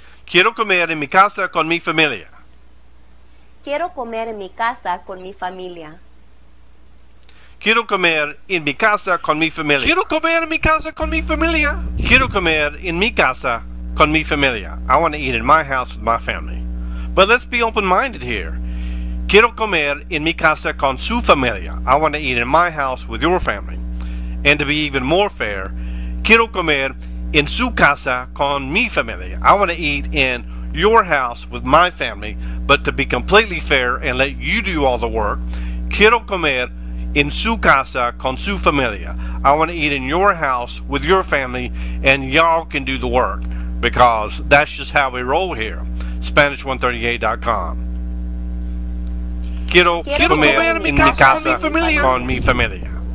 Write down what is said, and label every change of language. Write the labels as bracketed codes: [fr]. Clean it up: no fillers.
[es] Quiero comer en mi casa con mi familia. Quiero comer en mi casa con mi familia. Quiero comer en mi casa con mi familia. Quiero comer en mi casa con mi familia. Quiero comer en mi casa con mi familia. [en] I want to eat in my house with my family. But let's be open-minded here. [es] Quiero comer en mi casa con su familia. [en] I want to eat in my house with your family. And to be even more fair, [es] quiero comer en su casa con mi familia. [en] I want to eat in your house with my family. But to be completely fair and let you do all the work, [es] quiero comer en su casa con su familia. [en] I want to eat in your house with your family, and y'all can do the work, because that's just how we roll here. Spanish138.com. [es] Quiero comer en mi casa con mi familia.